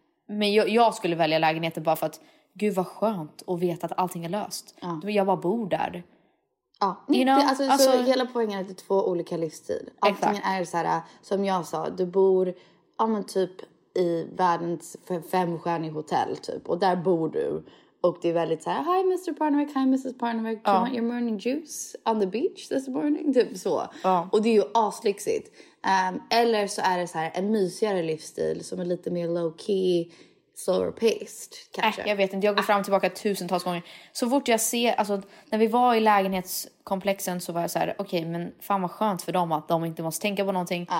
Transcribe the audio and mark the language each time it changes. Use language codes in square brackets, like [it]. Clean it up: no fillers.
[sv] Men jag skulle välja lägenheten bara för att gud vad skönt att veta att allting är löst. Ja. Jag bara bor där. [en] Ja, you know? [sv] Alltså, hela poängen är att det är två olika livsstil. Antingen är så här, som jag sa, du bor ja, men typ i världens 5-stjärnig hotell typ. Och där bor du. Och det är väldigt så här, hi Mr. [en] Parnevik, hi Mrs. Parnevik, do you want your morning juice on the beach this morning? [sv] Typ så. Och det är ju aslyxigt. Eller så är det så här, en mysigare livsstil som är lite mer low-key, slower paced. Jag vet inte, jag går fram och tillbaka tusentals gånger. Så fort jag ser, alltså när vi var i lägenhetskomplexen så var jag så här, okej, men fan vad skönt för dem att de inte måste tänka på någonting.